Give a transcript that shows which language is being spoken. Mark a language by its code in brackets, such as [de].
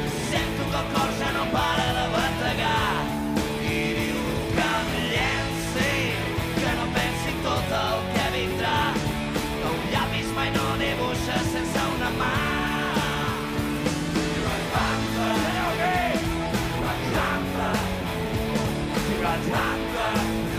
[ca] Sento que el cor ja no para de bategar. I diu que em llenci, que no pensi tot el que vindrà. Que un llapis mai no dibuixa sense una mà. [en] You are Panther, you are Panther, you are Panther.